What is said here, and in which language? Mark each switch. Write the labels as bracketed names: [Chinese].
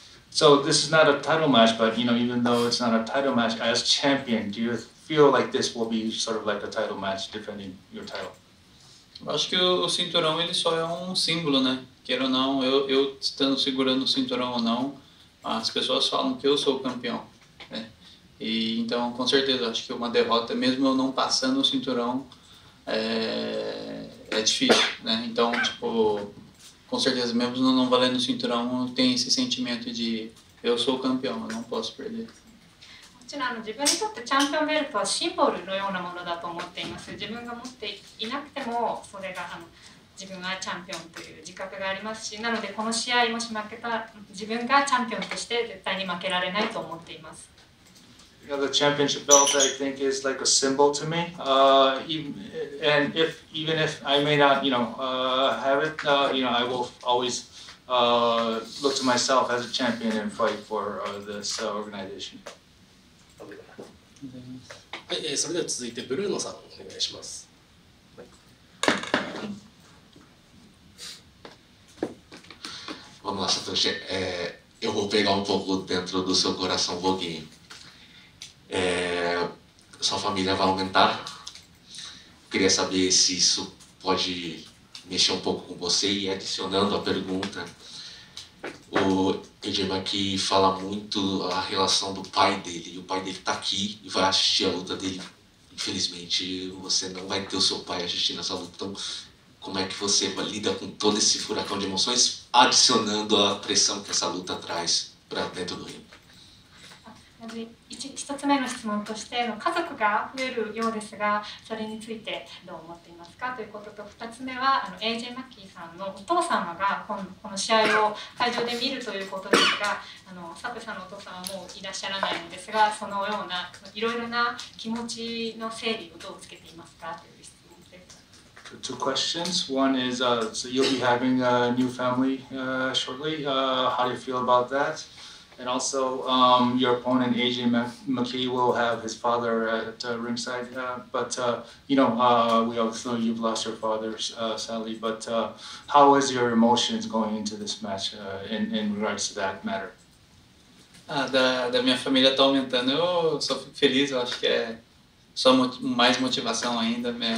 [English] So this is not a title match, but you know, even though it's not a title match, as champion, do you feel like this will be sort of like a title match defending your title? [Portuguese] Eu acho que o cinturão ele só é um símbolo, né? Queira ou não, eu estando segurando o cinturão ou não, as pessoas falam que eu sou o campeão, né? E então, com certeza, acho que uma derrota, mesmo eu não passando o cinturão, é difícil, né? Então, tipo... Com certeza, mesmo não valendo o cinturão, tem esse sentimento de eu sou o campeão, eu não posso perder. [Japanese] もちろん、自分にとってチャンピオンベルトはシンボルのようなものだと思っています。自分が持っていなくても、それが自分はチャンピオンという自覚がありますし、なので、この試合もし負けた自分がチャンピオンとして絶対に負けられないと思っています。 [English] You know, the championship belt, I think, is like a symbol to me. Even if I may not, you know, have it, you know, I will always look to myself as a champion and fight for this organization. [Japanese] はい、それでは続いてブルーノさんお願いします。 [Portuguese] Vamos lá, Satoshi. Eu vou pegar um pouco dentro do seu coração, um pouquinho. Sua família vai aumentar. Queria saber se isso pode mexer um pouco com você e adicionando a pergunta. O Edema aqui fala muito a relação do pai dele. E o pai dele está aqui e vai assistir a luta dele. Infelizmente, você não vai ter o seu pai assistindo essa luta. Então, como é que você lida com todo esse furacão de emoções, adicionando a pressão que essa luta traz para dentro do ringue? [Japanese] 1つ目の質問としての家族が増えるようですが、それについてどう思っていますかということと、2つ目はAJ マッキーさんのお父様が この試合を会場で見るということですが、サプさんのお父様はもういらっしゃらないのですが、そのようないろいろな気持ちの整理をどうつけていますかという質問です。 [English] Two questions. One is、so、you'll be having a new family、shortly. How do you feel about that? And also, your opponent, AJ McKee, will have his father at ringside. We also know you've lost your father, sadly. But how is your emotions going into this match in regards to that matter? [Portuguese] Da minha família está aumentando. Eu sou feliz. Eu acho que é só mais motivação ainda.